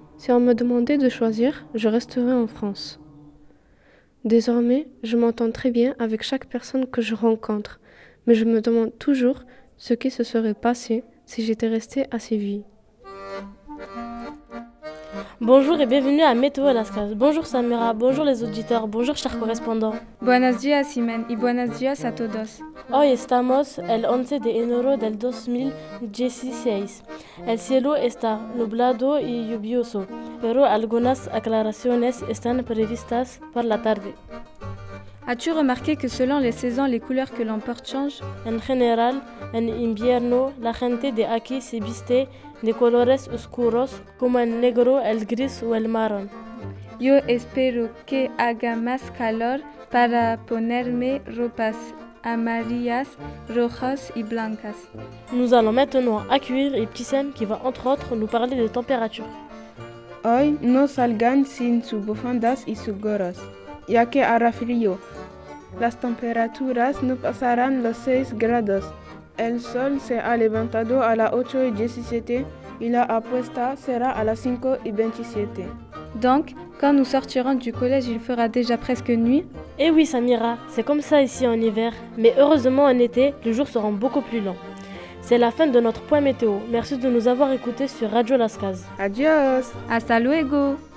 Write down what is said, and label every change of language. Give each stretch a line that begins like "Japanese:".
French: Si on me demandait de choisir, je resterais en France. Désormais, je m'entends très bien avec chaque personne que je rencontre, mais je me demande toujours ce qui se serait passé si j'étais restée à Séville. Bonjour et bienvenue à Météo Alaskas. Bonjour Samira, bonjour les auditeurs, bonjour chers correspondants.
Spanish: Buenos dias, Imen, y buenos dias a todos. Hoy estamos el 11 de enero del 2016. El cielo está nublado y lluvioso, pero algunas aclaraciones están previstas para la tarde.
French: As-tu remarqué que selon les saisons, les couleurs que l'on porte changent?
Spanish: En general, en invierno, la gente de aquí se viste de colores oscuros, como el negro, el gris o el marrón. Yo espero que haga más calor para ponerme ropas amarillas, rojas y blancas.
French: Nous allons maintenant accueillir Ibtissem qui va entre autres nous parler de température.
Spanish: Hoy no salgan sin sus bufandas y sus gorros, ya que hará frío. Las temperaturas no pasarán los 6 grados. El sol se ha levantado a las 8 y 17 y la apuesta será a las 5 y 27.
French: Donc, quand nous sortirons du collège, il fera déjà presque nuit? Eh oui, Samira, c'est comme ça ici en hiver. Mais heureusement, en été, le jour sera beaucoup plus long. C'est la fin de notre point météo. Merci de nous avoir écoutés sur Radio Las Cases.
Spanish: Adios! Hasta luego!